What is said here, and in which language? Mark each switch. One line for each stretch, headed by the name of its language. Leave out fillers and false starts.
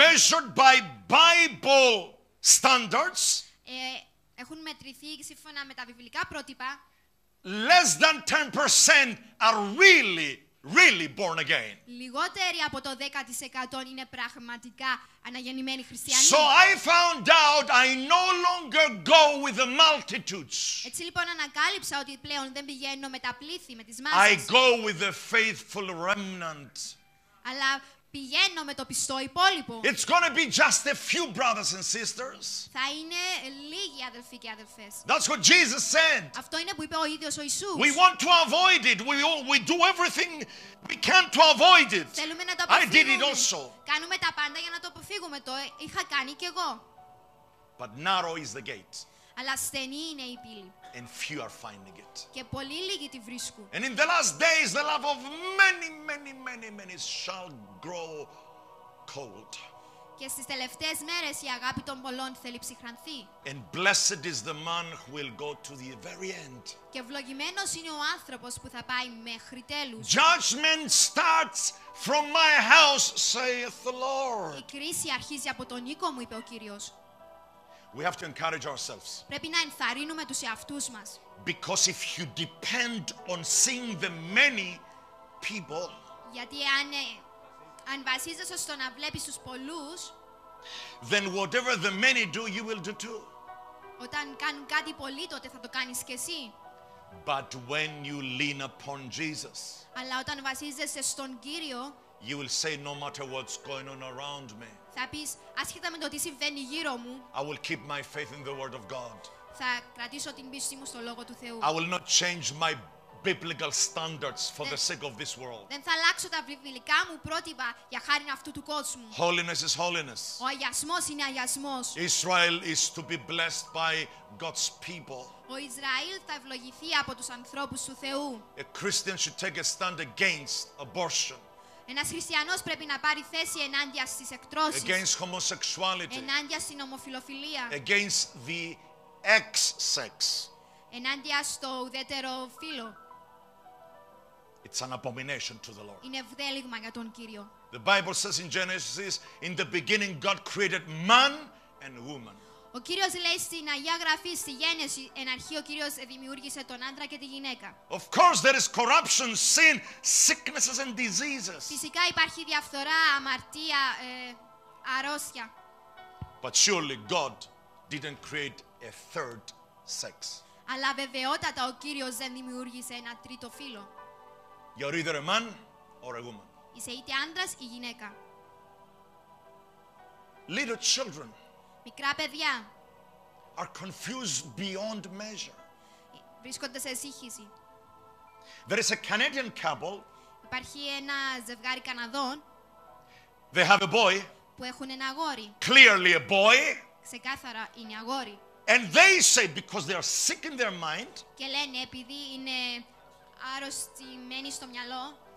English: Measured by Bible standards.
Greek: Έχουν μετρηθεί σύμφωνα με τα βιβλικά πρότυπα.
English: Less than 10% are really, really born again.
Greek: Λιγότεροι από το 10% είναι πραγματικά αναγεννημένοι χριστιανοί.
English: So I found out I no longer go with the multitudes.
Greek: Έτσι λοιπόν ανακάλυψα ότι πλέον δεν πηγαίνω με τα πλήθη, με τις μάζες.
English: I go with the faithful remnant.
Greek: Αλλά πηγαίνω με το πιστό υπόλοιπο.
English: It's going to be just a few brothers and sisters.
Greek: Θα είναι λίγοι αδελφοί και αδελφές.
English: That's what Jesus said.
Greek: Αυτό είναι που είπε ο ίδιος ο Ιησούς.
English: We want to avoid it. We do everything we can to avoid it.
Greek: Θέλουμε να το αποφύγουμε.
English: I did it also.
Greek: Κάνουμε τα πάντα για να το αποφύγουμε. Το είχα κάνει και εγώ.
English: But narrow is the gate.
Greek: Αλλά στενή είναι η πύλη.
English: And few are finding it.
Greek: Και πολύ λίγοι τη βρίσκουν.
English: And in the last days, the love of many, many, many, many shall grow cold.
Greek: Και στις τελευταίες μέρες η αγάπη των πολλών θέλει ψυχρανθεί.
English: And blessed is the man who will go to the very end.
Greek: Και ευλογημένος είναι ο άνθρωπος που θα πάει μέχρι τέλους.
English: Judgment starts from my house, saith the Lord.
Greek: Η κρίση αρχίζει από τον οίκο μου, είπε ο Κύριος.
English: We have to encourage ourselves.
Greek: Πρέπει να ενθαρρύνουμε τους εαυτούς μας.
English: Because if you depend on seeing the many people.
Greek: Γιατί αν βασίζεσαι στο να βλέπεις τους πολλούς.
English: Then whatever the many do, you will do too.
Greek: Όταν κάνουν κάτι πολλοί, τότε θα το κάνεις και εσύ.
English: But when you lean upon Jesus.
Greek: Αλλά όταν βασίζεσαι στον Κύριο.
English: You will say, no matter what's going on around me.
Greek: Θα πεις, άσχετα με το τι συμβαίνει γύρω μου.
English: I will keep my faith in the word of God.
Greek: Θα κρατήσω την πίστη μου στο λόγο του Θεού.
English: I will not change my biblical standards for the sake of this world.
Greek: Δεν θα αλλάξω τα βιβλικά μου πρότυπα για χάρη αυτού του κόσμου.
English: Holiness is holiness.
Greek: Ο αγιασμός είναι αγιασμός.
English: Israel is to be blessed by God's people.
Greek: Ο Ισραήλ θα ευλογηθεί από τους ανθρώπους του Θεού.
English: A Christian should take a stand against abortion.
Greek: Ένας χριστιανός πρέπει να πάρει θέση ενάντια στις εκτρώσεις.
English: Against homosexuality.
Greek: Ενάντια στην ομοφιλοφιλία.
English: Against the ex-sex.
Greek: Ενάντια στο ουδέτερο φύλο.
English: It's an abomination to the Lord.
Greek: Είναι βδέλυγμα για τον Κύριο.
English: The Bible says in Genesis, in the beginning God created man and woman.
Greek: Ο Κύριος λέει στην Αγία Γραφή, στη Γένεση, εν αρχή ο Κύριος δημιούργησε τον άντρα και τη γυναίκα.
English: Of course there is corruption, sin, sicknesses and diseases.
Greek: Φυσικά υπάρχει διαφθορά, αμαρτία, αρρώστια.
English: But surely God didn't create a third sex.
Greek: Αλλά βεβαιότατα ο Κύριος δεν δημιούργησε ένα τρίτο φύλο.
English: You're either a man or a woman.
Greek: Είσαι είτε άντρας ή γυναίκα.
English: Little children.
Greek: Μικρά παιδιά.
English: Are confused beyond measure.
Greek: Βρίσκονται σε σύγχυση.
English: There is a Canadian couple.
Greek: Υπάρχει ένα ζευγάρι Καναδών.
English: They have a boy.
Greek: Που έχουν ένα αγόρι.
English: Clearly a boy.
Greek: Ξεκάθαρα είναι αγόρι.
English: And they say because they are sick in their mind.
Greek: Και λένε επειδή είναι αρρωστημένοι στο μυαλό.